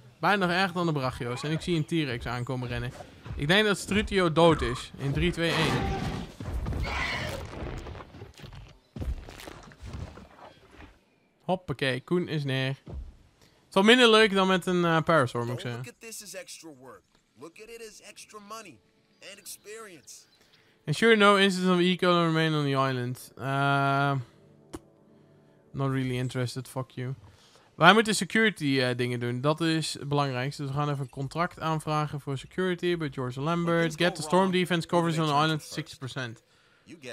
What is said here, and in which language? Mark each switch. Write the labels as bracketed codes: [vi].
[nl] Bijna nog erger dan de Brachios. En ik zie een T-Rex aankomen rennen. Ik denk dat Struthio dood is. In 3, 2, 1. Hoppakee, Koen is neer. Het is wel minder leuk dan met een Parasaur, moet ik zeggen. Kijk, dit is extra werk. Kijk, dit is extra geld en ervaring. [en] Ensure no instance of eco to remain on the island. Not really interested, fuck you. [nl] Wij moeten security dingen doen. Dat is het belangrijkste. Dus we gaan even een contract aanvragen voor security bij George Lambert. [en] Get the storm defense covers on the island 60%.